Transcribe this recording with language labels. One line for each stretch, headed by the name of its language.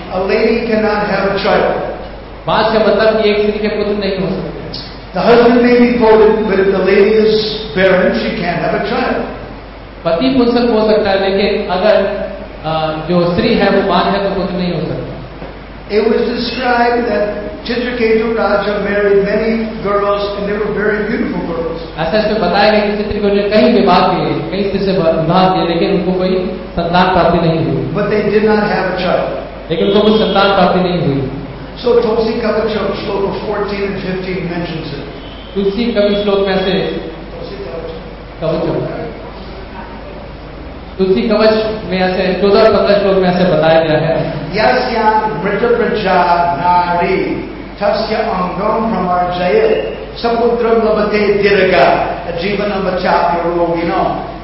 English: A lady can not have a child.
Hindi: बात का मतलब कि एक स्त्री के पुत्र नहीं हो सकते.
English: The husband may be coded but if the lady is barren she can have a child.
Hindi: पति पुंसक हो सकता है लेकिन अगर जो स्त्री है वो बांध है तो पुत्र नहीं हो सकता.
English: It was described that Chitraketu Raja married many girls and they were very beautiful girls.
Hindi: ऐसा इसमें बताया गया कि चित्रकेतु ने कई विवाह किए कई स्त्री से विवाह किए लेकिन उनको कोई संतान प्राप्ति नहीं हुई.
English: But they did not have a child.
Hindi: लेकिन उनको कोई संतान प्राप्ति नहीं हुई.
English: So Tulsi Kavi श्लोक 14 and 15 mentions it.
Hindi: तुलसी कवि श्लोक में से तुलसी कवच में ऐसे 14 और 15 श्लोक में ऐसे बताया गया है.
Sanskrit: यस्या मृत प्रजा नारी तस्य अंगम प्रमार्जयत् समुद्रम लभते दीर्घा जीवनम चाप्य रोगिणः.